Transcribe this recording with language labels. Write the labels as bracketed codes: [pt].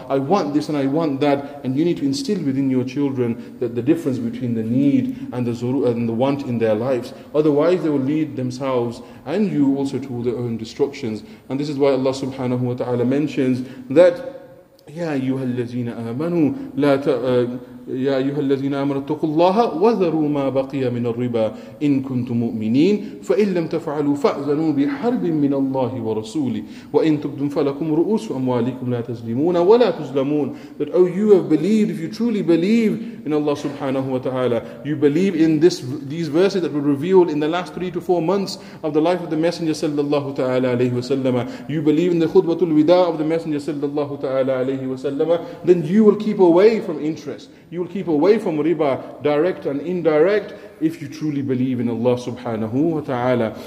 [en] I want this and I want that. And you need to instill within your children that the difference between the need and the zuru and the want in their lives. Otherwise, they will lead themselves and you also to their own destructions. And this is why Allah subhanahu wa ta'ala mentions that, [ar] يَا أَيُّهَا الَّذِينَ آمَنُوا لَا تَأْمَنُوا يا أيها الذين آمنوا اتقوا الله وذروا ما بقي من الربا إن كنتم مؤمنين فإن لم تفعلوا فأذنوا بحرب من الله ورسوله وإن تبدوا فلكم رؤوس أموالكم لا تظلمون ولا تظلمون. [en] That oh, you have believed, if you truly believe in Allah subhanahu wa ta'ala, you believe in this, these verses that were revealed in the last 3 to 4 months of the life of the Messenger sallallahu ta'ala alayhi wa sallam, you believe in the khutbatul wida of the Messenger sallallahu ta'ala alayhi wa sallam, then you will keep away from interest, you will keep away from riba, direct and indirect, if you truly believe in Allah subhanahu wa ta'ala.